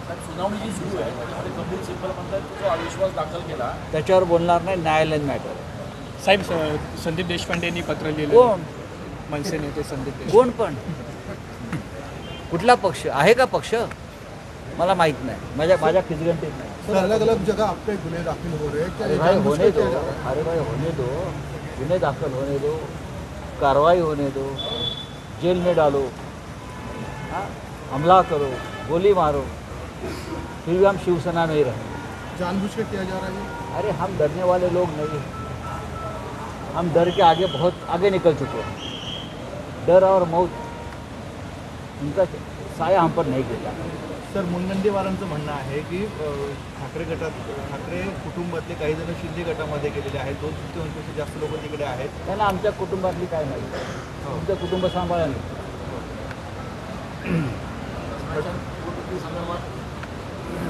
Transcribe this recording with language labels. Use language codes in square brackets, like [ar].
[mr] सुनावणी जी सुरू आहे कपिल सिब्बल म्हणतात जो अविश्वास दाखल केला त्याच्यावर बोलणार नाही, न्यायालयीन मॅटर। साहेब संदीप देशपांडे यांनी पत्र लिहिलं, कोण मनसे नेते संदीप देश, कोण पण कुठला पक्ष आहे का पक्ष मला माहीत नाही, माझ्या खिजगंटीत नाही। [hi] अलग अलग जगह आपके गुन्हे दाखिल हो रहे अरे भाई होने दो गुन्हे दाखिल होने दो कार्रवाई होने दो, जेल में डालो, हमला करो, गोली मारो, फिर भी हम शिवसेना में ही रहें। जानबूझ के किया जा रहा है? अरे हम डरने वाले लोग नहीं हैं, हम डर के आगे बहुत आगे निकल चुके हैं। डर और मौत उनका साया हम पर नहीं गिरता। [mr] सर मुनगंटीवारांचं म्हणणं आहे की ठाकरे गटात ठाकरे कुटुंबातले काही जण शिंदे गटामध्ये गेलेले आहेत, दोन तृतीयांपेक्षा जास्त लोक तिकडे आहेत। त्यांना आमच्या कुटुंबातली काय नाही, तुमचं कुटुंब सांभाळा।